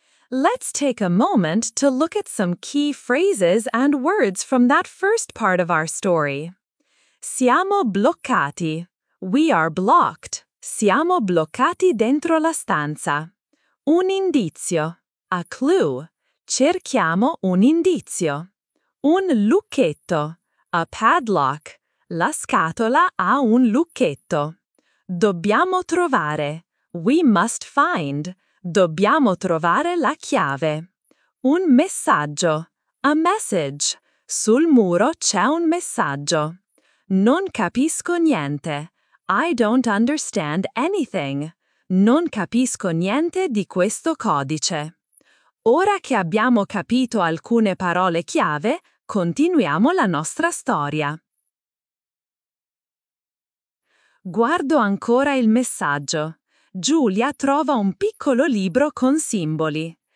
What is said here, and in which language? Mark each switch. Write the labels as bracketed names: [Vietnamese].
[English] Let's take a moment to look at some key phrases and words from that first part of our story. [Italian] Siamo bloccati. [English] We are blocked. [Italian] Siamo bloccati dentro la stanza. Un indizio. [English] A clue. [Italian] Cerchiamo un indizio. Un lucchetto. [English] A padlock. [Italian] La scatola ha un lucchetto. Dobbiamo trovare. [English] We must find. [Italian] Dobbiamo trovare la chiave. Un messaggio. [English] A message. [Italian] Sul muro c'è un messaggio. Non capisco niente. [English] I don't understand anything. [Italian] Non capisco niente di questo codice. Ora che abbiamo capito alcune parole chiave, continuiamo la nostra storia. Guardo ancora il messaggio. Giulia trova un piccolo libro con simboli.